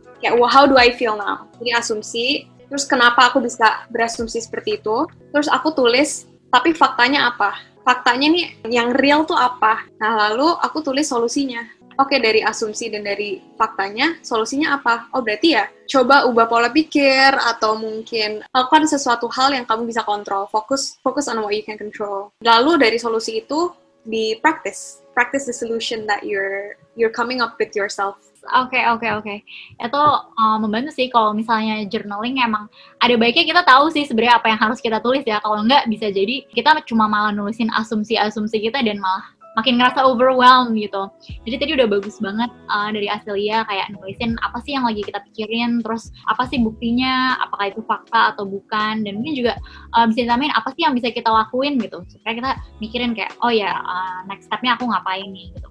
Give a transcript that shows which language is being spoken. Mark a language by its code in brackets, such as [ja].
[id] Kayak, [en] well, how do I feel now? [id] Jadi asumsi, terus kenapa aku bisa berasumsi seperti itu, terus aku tulis, tapi faktanya apa? Faktanya nih yang real tuh apa? Nah lalu aku tulis solusinya. Okay, dari asumsi dan dari faktanya, solusinya apa? Oh berarti ya, coba ubah pola pikir atau mungkin lakukan sesuatu hal yang kamu bisa kontrol. [en] Focus on what you can control. [id] Lalu dari solusi itu di [en] practice the solution that you're coming up with yourself. Okay. [id] Itu membantu sih kalau misalnya journaling emang ada baiknya kita tahu sih sebenarnya apa yang harus kita tulis ya. Kalau enggak bisa jadi kita cuma malah nulisin asumsi-asumsi kita dan malah makin ngerasa overwhelmed gitu. Jadi tadi udah bagus banget dari Aselia kayak nulisin apa sih yang lagi kita pikirin, terus apa sih buktinya, apakah itu fakta atau bukan, dan mungkin juga bisa ditambahin apa sih yang bisa kita lakuin gitu, supaya kita mikirin kayak, oh ya, next step-nya aku ngapain nih gitu.